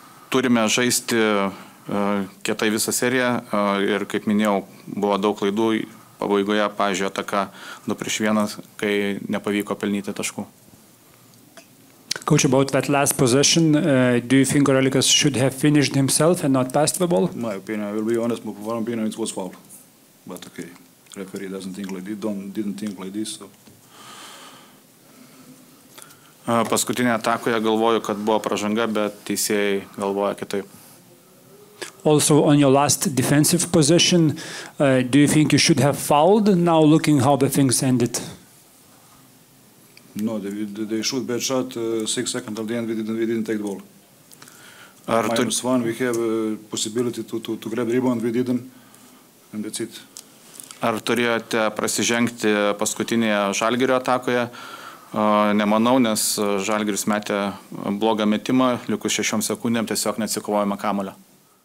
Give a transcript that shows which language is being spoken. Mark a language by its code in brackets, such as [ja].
[lt] Turime žaisti kietai visą seriją ir, kaip minėjau, buvo daug klaidų pabaigoje, pavyzdžiui, ataka 2-1, kai nepavyko pelnyti taškų. [en] Coach, about that last possession, do you think Relikas should have finished himself and not passed the ball? My opinion, I will be honest, my opinion, it was foul. but okay. Referee doesn't think like this, didn't think like this, so. [lt] Paskutinė atakoje galvoju, kad buvo pražanga, bet teisėjai galvoja kitaip. [en] Also on your last defensive position, do you think you should have fouled now looking how the things ended? No, they shoot bad shot, 6 seconds at the end we didn't take the ball. Minus one, we have a possibility to grab rebound, we didn't, and that's it. [lt] Ar turėjote prasižengti paskutinėje Žalgirio atakoje? Nemanau, nes Žalgiris metė blogą metimą, likus 6 sekundėm tiesiog neatsikovojama kamulio.